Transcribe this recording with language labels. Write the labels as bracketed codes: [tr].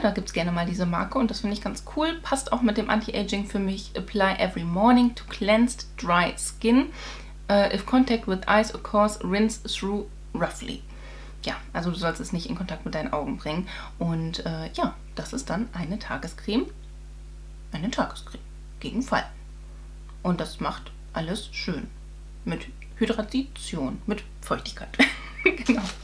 [de] Da gibt es gerne mal diese Marke und das finde ich ganz cool. Passt auch mit dem Anti-Aging für mich. [en] Apply every morning to cleansed dry skin. If contact with eyes occurs, rinse through roughly. [de] Ja, also du sollst es nicht in Kontakt mit deinen Augen bringen. Und das ist dann eine Tagescreme. Eine Tagescreme gegen Falten. Und das macht alles schön. Mit Hydration, mit Feuchtigkeit. Genau.